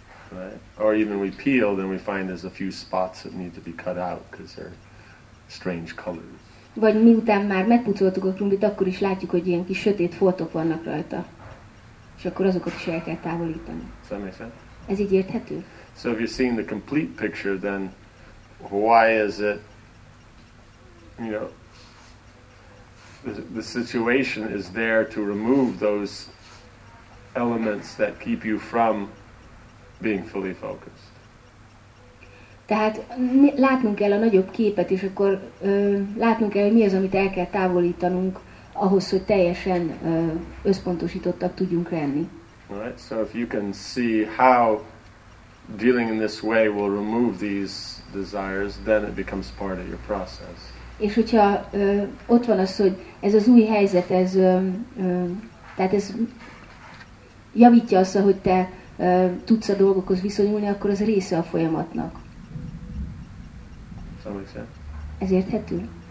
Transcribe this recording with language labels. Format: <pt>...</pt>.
<en>Right? Or even we peel, then we find there's a few spots that need to be cut out because they're strange colors.</en> <hu>Vagy miután már megpucoltuk a krumplit, akkor is látjuk, hogy ilyen kis sötét foltok vannak rajta. És akkor azokat is el kell távolítani. Ez így érthető?</hu> <en>So if you're seeing the complete picture, then why is it, you know, the situation is there to remove those elements that keep you from being fully focused.</en> <hu>Tehát látnunk kell a nagyobb képet, és akkor látnunk kell, hogy mi az, amit el kell távolítanunk ahhoz, hogy teljesen összpontosítottak tudjunk lenni.</hu> <en>Right, so if you can see how dealing in this way will remove these desires, then it becomes part of your process.</en> <hu>És hogyha ott van az, hogy ez az új helyzet, ez tehát ez javítja azt, hogy te tudsz a dolgokhoz viszonyulni, akkor az része a folyamatnak. Ez érthető?</hu>